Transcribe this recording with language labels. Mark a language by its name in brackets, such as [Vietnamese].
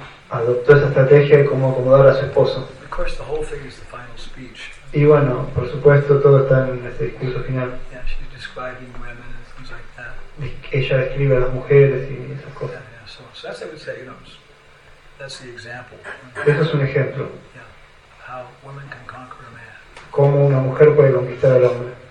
[Spanish] adoptó esa estrategia de cómo acomodar a su esposo. [English] Of course, the whole thing is the final speech. [Spanish] Y bueno, por supuesto, todo está en este discurso final. [English] Yeah, she's describing women and things like that. [Spanish] Ella describe a las mujeres y esas cosas. [English] Yeah, so that's what I would say, you know, that's the example. [Spanish] Eso es un ejemplo. [English] Yeah, how women can conquer a man. [Spanish] Cómo una mujer puede conquistar al hombre.